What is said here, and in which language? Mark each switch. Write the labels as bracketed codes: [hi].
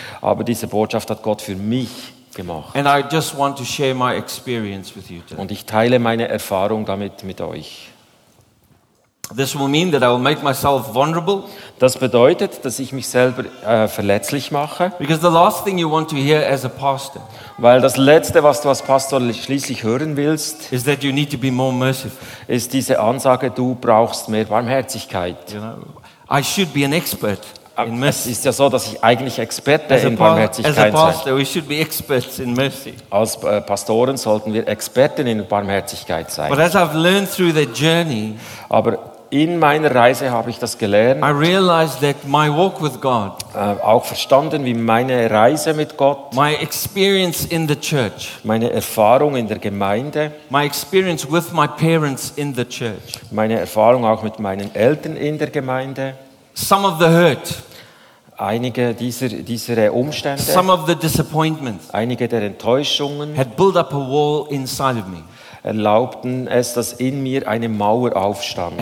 [de] Aber diese Botschaft hat Gott für mich gemacht. [en] And I just want to share my experience with you today. [de] Und ich teile meine Erfahrung damit mit euch. [en] This will mean that I will make myself vulnerable. [de] Das bedeutet, dass ich mich selber verletzlich mache. [en] Because the last thing you want to hear as a pastor. [de] Weil das Letzte, was du als Pastor schließlich hören willst, [en] is that you need to be more merciful. [de] Ist diese Ansage, du brauchst mehr Barmherzigkeit. [en] You know, I should be an expert. [de] Es ist ja so, dass ich eigentlich Experte in Barmherzigkeit bin. Als Pastoren sollten wir Experten in Barmherzigkeit sein. [en] But as I've learned through the journey, [de] aber in meiner Reise habe ich das gelernt. [en] I realized that my walk with God, [de] auch verstanden, wie meine Reise mit Gott, [en] my experience in the church, [de] meine Erfahrung in der Gemeinde, [en] my experience with my parents in the church, [de] meine Erfahrung auch mit meinen Eltern in der Gemeinde. [en] Some of the hurt, [de] einige dieser Umstände, [en] some of the disappointments, [de] einige der Enttäuschungen, [en] had built up a wall inside of me, [de] erlaubten es, dass in mir eine Mauer aufstand,